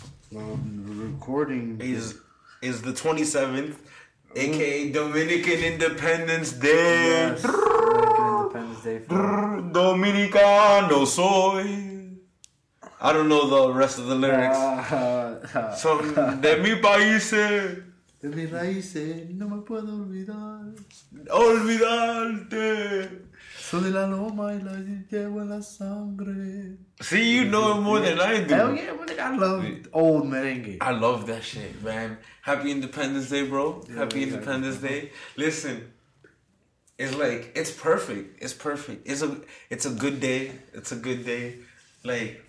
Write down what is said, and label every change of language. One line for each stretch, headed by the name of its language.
English: Recording is... Is the 27th, aka Dominican Independence Day. Yes, Dominican Independence Day.
Spanish: Dominicano soy.
English: I don't know the rest of the lyrics.
Spanish: So, de mi país. De mi raíz, no me puedo olvidar. Olvidarte. Soy de la loma y la llevo en la sangre.
English: See, you know it more than I do. Hell yeah, I love old merengue. I love that shit, man. Happy Independence Day, bro. Happy Independence Day. Listen, it's like, it's perfect. It's a good day. It's a good day. Like,